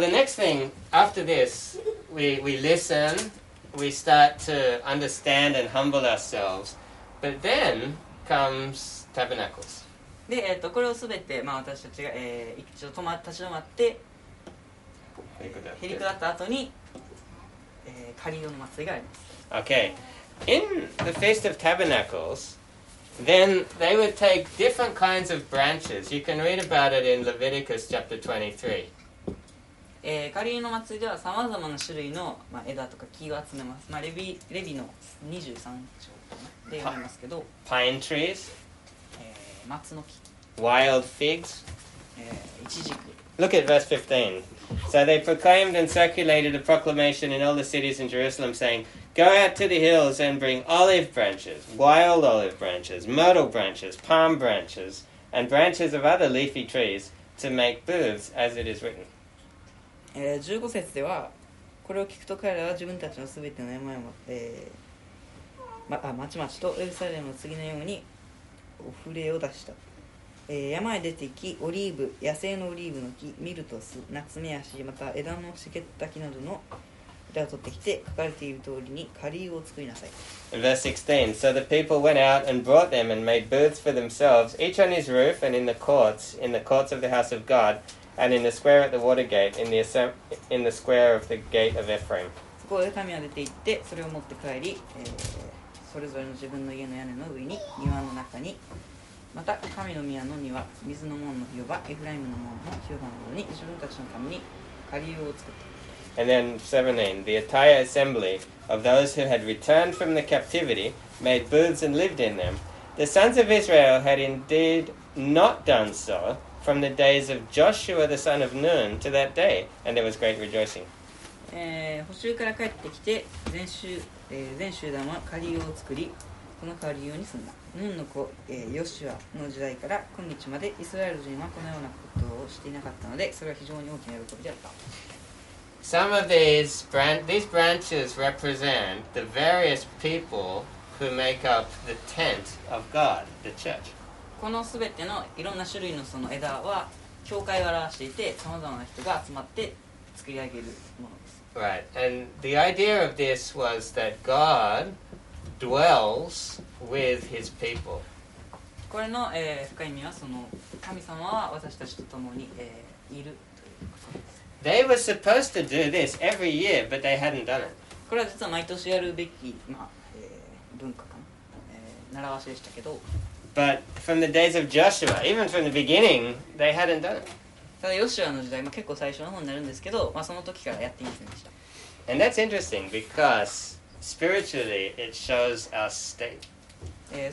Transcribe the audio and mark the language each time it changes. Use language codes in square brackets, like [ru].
[en] So the next thing after this, we listen, we start to understand and humble ourselves, but then comes tabernacles. [ja] で、これをすべて、まあ、私たちが、一度止まって、立ち止まって、へりくだった後に、仮の祭りがあります。 [en] Okay. In the Feast of Tabernacles, then they would take different kinds of branches. You can read about it in Leviticus chapter 23. [ja] 仮の祭りでは様々な種類の、まあ、枝とか木を集めます。まあ、レビの23章で読みますけど。 [en] Pine trees. [ja] 松の木。 [en] Wild figs. [ja] イチジク。 [en] Look at verse 15. So they proclaimed and circulated a proclamation in all the cities in Jerusalem saying, Go out to the hills and bring olive branches, wild olive branches, myrtle branches, palm branches, and branches of other leafy trees to make booths as it is written. [ja] 15節ではこれを聞くと彼らは自分たちのすべての山を、まちまちとエルサレムの次のようにお触れを出した。山へ出て行き、オリーブ、野生のオリーブの木、ミルトス、ナツメヤシ、また枝のしけった木などの枝を取ってきて、書かれている通りに仮屋を作りなさい。 [en] Verse 16, So the people went out and brought them and made booths for themselves, each on his roof and in the courts of the house of God, and in the square at the water gate, in the square of the gate of Ephraim. [ja] そこで民は出て行って、それを持って帰り、それぞれの自分の家の屋根の上に、庭の中に、また神の宮の庭、水の門の広場、エフライムの門の広場などに自分たちのために仮屋を作った。 [en] And then 17, the entire assembly of those who had returned from the captivity made booths and lived in them. The sons of Israel had indeed not done so from the days of Joshua the son of Nun to that day, and there was great rejoicing. [ja] 捕囚から帰ってきて全集団は仮屋を作り、この仮屋に住んだ。ヌンの子、ヨシュアの時代から今日までイスラエル人はこのようなことをしていなかったので、それは非常に大きな喜びであった。 [en] Some of these branches represent the various people who make up the tent of God, the church. [ja] このすべてのいろんな種類のその枝は教会を表していて、さまざまな人が集まって作り上げるものです。 [en] Right, and the idea of this was that God dwells with His people. [ja] これの、深い意味はその神様は私たちと共に、いる。 [en] They were supposed to do this every year, but they hadn't done it. [ja] これは実は毎年やるべき、まあ文化かな、習わしでしたけど。 [en] But from the days of Joshua, even from the beginning, they hadn't done it. [ja] ただヨシュアの時代も結構最初の方になるんですけど、まあその時からやっていませんでした。 [en] And that's interesting because spiritually it shows our state.